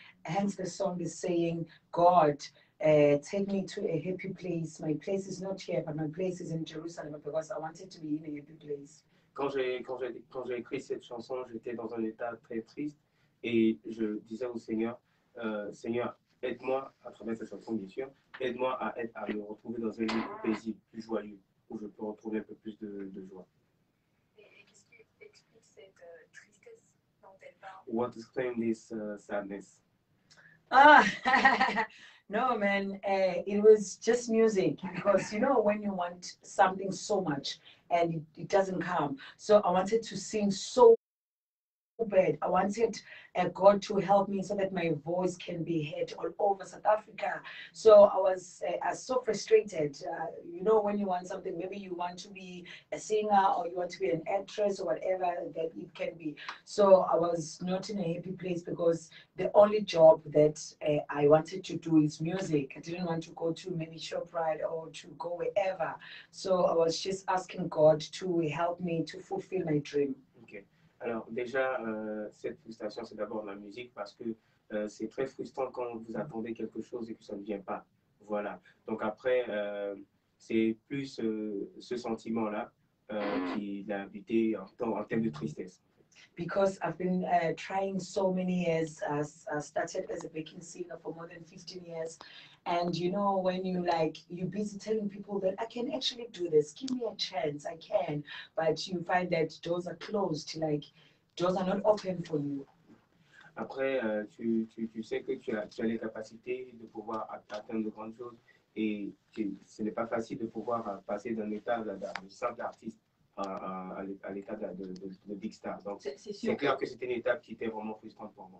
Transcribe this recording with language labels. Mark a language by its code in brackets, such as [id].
[en] Hence, the song is saying, God, take me to a happy place. My place is not here, but my place is in Jerusalem because I wanted to be in a happy place. [fr] Quand j'ai écrit cette chanson, j'étais dans un état très triste et je disais au Seigneur, Seigneur, aide-moi à travers cette chanson, bien sûr, aide-moi à me retrouver dans un lieu paisible, plus joyeux, où je peux retrouver un peu plus de joie. Et qu'est-ce qui explique cette tristesse dont elle parle? [en] What explains this sadness? Ah! No, man, it was just music, because you know when you want something so much and it doesn't come. So I wanted to sing so bad. I wanted God to help me so that my voice can be heard all over South Africa. So I was so frustrated. You know when you want something, maybe you want to be a singer or you want to be an actress or whatever that it can be. So I was not in a happy place because the only job that I wanted to do is music. I didn't want to go to maybe ShopRite or to go wherever. So I was just asking God to help me to fulfill my dream. [fr] Alors déjà, cette frustration, c'est d'abord la musique parce que c'est très frustrant quand vous attendez quelque chose et que ça ne vient pas. Voilà. Donc après, c'est plus ce sentiment-là qui l'a habité en termes de tristesse. [en] Because I've been trying so many years, as I started as a baking singer for more than 15 years. And you know, when you like, you're busy telling people that I can actually do this, give me a chance, I can. But you find that doors are closed, like doors are not open for you. [fr] Après, tu sais que tu as les capacités de pouvoir atteindre de grandes choses. Et ce n'est pas facile de pouvoir passer d'un état de simple artiste à l'état de big star. Donc c'est clair que c'était une étape qui était vraiment frustrante pour moi.